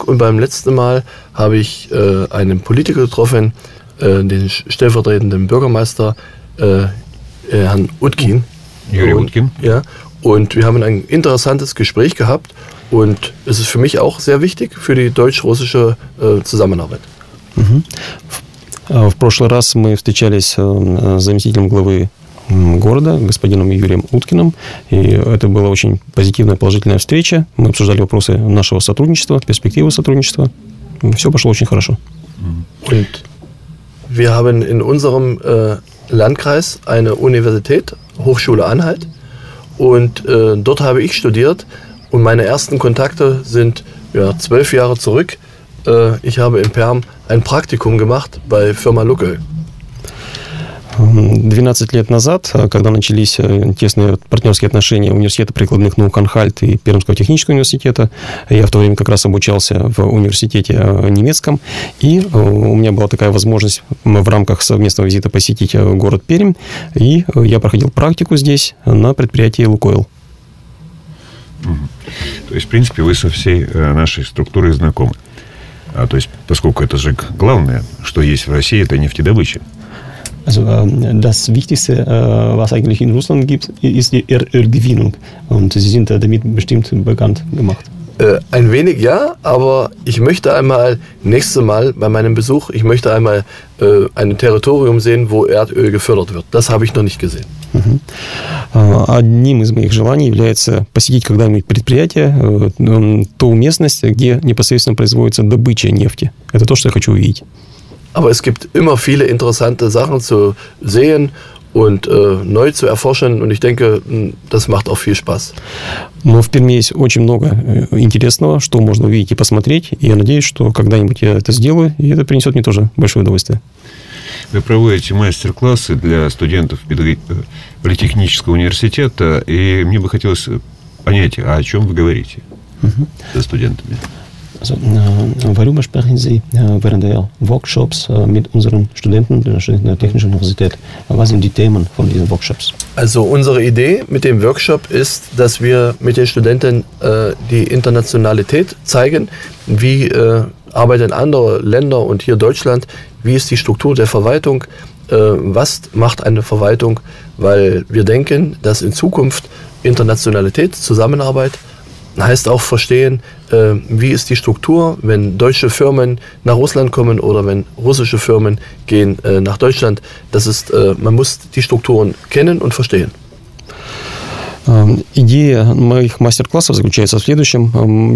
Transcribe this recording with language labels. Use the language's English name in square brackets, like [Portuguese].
[German] Und beim letzten Mal habe ich einen Politiker getroffen, den stellvertretenden Bürgermeister Herrn Utkin. Juri Utkin. Ja, und wir haben ein interessantes Gespräch gehabt und es ist für mich auch sehr wichtig für die deutsch-russische Zusammenarbeit. [Russian] В прошлый раз мы встречались с заместителем главы города, господином Юрием Уткиным, и это была очень позитивная, положительная встреча. Мы обсуждали вопросы нашего сотрудничества, перспективы сотрудничества. Все пошло очень хорошо. [German] Und wir haben in unserem Landkreis eine Universität, Hochschule Anhalt, und dort habe ich studiert und meine ersten Kontakte sind 12 Jahre zurück. Ich habe in Perm ein Praktikum gemacht bei Firma Lucke. [Russian] 12 лет назад, когда начались тесные партнерские отношения университета прикладных наук Анхальт и Пермского технического университета, я в то время как раз обучался в университете немецком, и у меня была такая возможность в рамках совместного визита посетить город Пермь, и я проходил практику здесь на предприятии «Лукойл». То есть, в принципе, вы со всей нашей структурой знакомы. А то есть, поскольку это же главное, что есть в России, это нефтедобыча. [German] Also das Wichtigste, was eigentlich in Russland gibt, ist die Ölgewinnung. Und Sie sind damit bestimmt bekannt gemacht. Ein wenig ja, aber ich möchte einmal, nächstes Mal bei meinem Besuch, ich möchte einmal ein Territorium sehen, wo Erdöl gefördert wird. Das habe ich noch nicht gesehen. [Russian] Одним из моих желаний является посетить когда-нибудь предприятие, ту местность, где непосредственно производится добыча нефти. Это то, что я хочу увидеть. [German] Aber es gibt immer viele interessante Sachen zu sehen und neu zu erforschen. Und ich denke, das macht auch viel Spaß. [Russian] Но в Перми есть очень много интересного, что можно увидеть и посмотреть. И я надеюсь, что когда-нибудь я это сделаю, и это принесет мне тоже большое удовольствие. Вы проводите мастер-классы для студентов политехнического университета. И мне бы хотелось понять, о чем вы говорите со студентами. [German] Also, worüber sprechen Sie während der Workshops mit unseren Studenten der Technischen Universität? Was sind die Themen von diesen Workshops? Also unsere Idee mit dem Workshop ist, dass wir mit den Studenten die Internationalität zeigen, wie arbeite in anderen Ländern und hier Deutschland. Wie ist die Struktur der Verwaltung? Was macht eine Verwaltung? Weil wir denken, dass in Zukunft Internationalität, Zusammenarbeit, heißt auch verstehen, wie ist die Struktur, wenn deutsche Firmen nach Russland kommen oder wenn russische Firmen gehen nach Deutschland. Das ist, man muss die Strukturen kennen und verstehen. [Russian] Идея моих мастер-классов заключается в следующем.